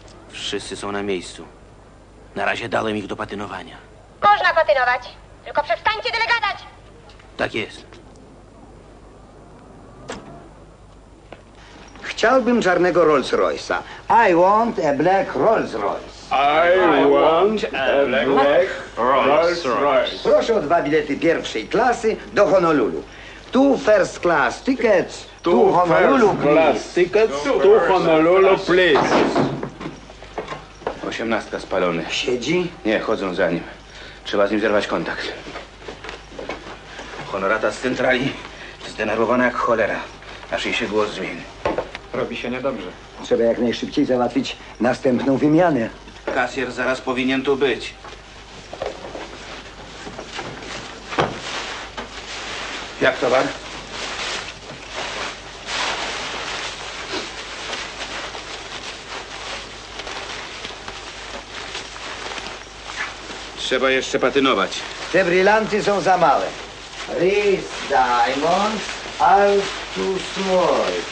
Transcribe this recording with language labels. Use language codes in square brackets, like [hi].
[pl] Wszyscy są na miejscu. Na razie dałem ich do patynowania. Można patynować. Tylko przestańcie tyle gadać. Tak jest. Chciałbym czarnego Rolls-Royce'a. [en] I want a black Rolls-Royce. I want a black Rolls-Royce. [pl] Proszę o dwa bilety pierwszej klasy do Honolulu. [en] Two first class tickets to Honolulu, please. [pl] Osiemnastka spalony. Siedzi? Nie, chodzą za nim. Trzeba z nim zerwać kontakt. Honorata z centrali zdenerwowana jak cholera. Aż jej się głos zmieni. Robi się niedobrze. Trzeba jak najszybciej załatwić następną wymianę. Kasjer zaraz powinien tu być. Jak towar? Trzeba jeszcze patynować. Te brylanty są za małe. [en] Riz diamonds are too small.